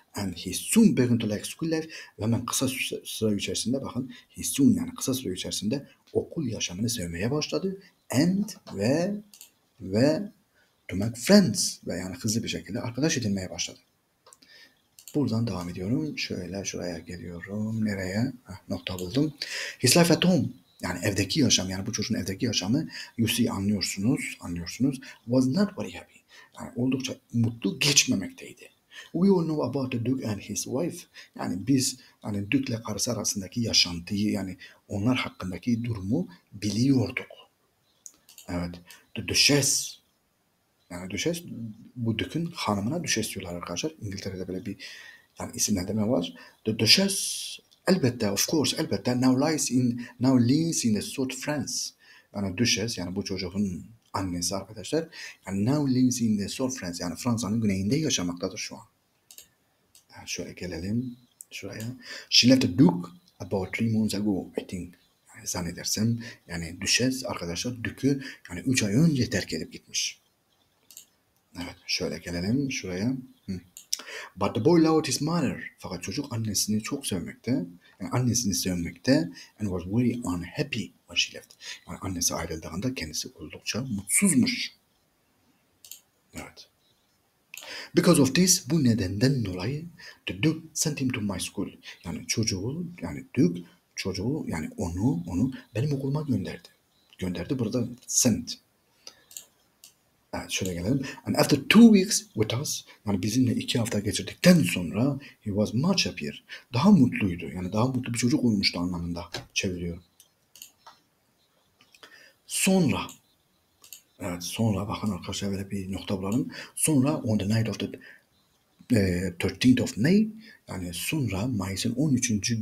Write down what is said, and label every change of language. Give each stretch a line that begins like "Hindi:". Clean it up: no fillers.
English: And he soon began to like school life.
Turkish: Ve hemen kısa süre içerisinde, bakın,
English: he soon,
Turkish: yani kısa süre içerisinde okul yaşamını sevmeye başladı. And ve
English: to make friends,
Turkish: ve yani hızlı bir şekilde arkadaş edinmeye başladı. Buradan devam ediyorum. Şöyle şuraya geliyorum. Nereye? Heh, nokta buldum.
English: His life at home,
Turkish: yani evdeki yaşam, yani bu çocuğun evdeki yaşamı, you see, anlıyorsunuz, anlıyorsunuz,
English: was not very happy.
Turkish: Yani oldukça mutlu geçmemekteydi.
English: We all know about the Duke and his wife.
Turkish: Yani biz, yani Duke ile karısı arasındaki yaşantıyı, yani onlar hakkındaki durumu biliyorduk. Evet.
English: The Duchess.
Turkish: Yani düşes, bu Dük'ün hanımına düşes diyorlar arkadaşlar. İngiltere'de böyle bir yani isimlendirme var.
English: The Duchess,
Turkish: elbette,
English: of course, elbette, now lives in the South France.
Turkish: Yani düşes, yani bu çocuğun annesi arkadaşlar. Yani
English: now lives in the South France.
Turkish: Yani Fransa'nın güneyinde yaşamaktadır şu an. Yani şöyle gelelim şuraya.
English: She left the Duke about 3 months ago, I think.
Turkish: Yani zannedersem, yani düşes arkadaşlar Dük'ü yani 3 ay önce terk edip gitmiş. Evet, şöyle gelelim şuraya.
English: But the boy loved his mother.
Turkish: Fakat çocuk annesini çok sevmekte. Yani annesini sevmekte.
English: And was very unhappy when she left.
Turkish: Yani annesi ayrıldığında kendisi oldukça mutsuzmuş. Evet.
English: Because of this,
Turkish: bu nedenden dolayı
English: the Duke sent him to my school.
Turkish: Yani çocuğu, yani Duke çocuğu, yani onu benim okuluma gönderdi. Gönderdi, burada sent. Evet, şöyle gelelim.
English: And after 2 weeks with us,
Turkish: yani bizimle 2 hafta geçirdikten sonra
English: he was much happier.
Turkish: Daha mutluydu. Yani daha mutlu bir çocuk olmuştu anlamında çeviriyorum. Sonra. Evet, sonra bakın arkadaşlar, böyle bir nokta bulalım.
English: Sonra on the night of the 13th of May,
Turkish: yani sonra Mayıs'ın 13.